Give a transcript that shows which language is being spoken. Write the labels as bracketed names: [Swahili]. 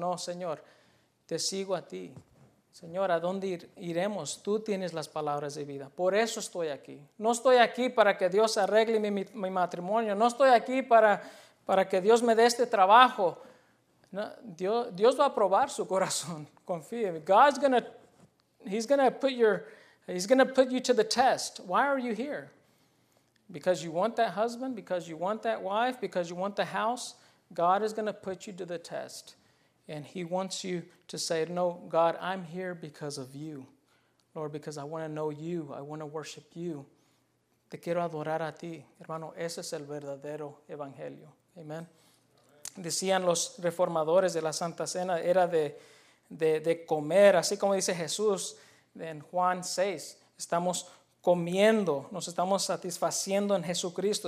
[Spanish] No, Señor, te sigo a ti. Señor, ¿a dónde iremos? Tú tienes las palabras de vida. Por eso estoy aquí. No estoy aquí para que Dios arregle mi matrimonio. No estoy aquí para que Dios me dé este trabajo. No, Dios va a probar su corazón. Confíe. [English] He's going to put you to the test. Why are you here? Because you want that husband? Because you want that wife? Because you want the house? God is going to put you to the test. And he wants you to say, no, God, I'm here because of you. Lord, because I want to know you. I want to worship you. [Spanish] Te quiero adorar a ti. Hermano, ese es el verdadero evangelio. Amen. Decían los reformadores de la Santa Cena, era de comer. Así como dice Jesús en Juan 6, estamos comiendo, nos estamos satisfaciendo en Jesucristo.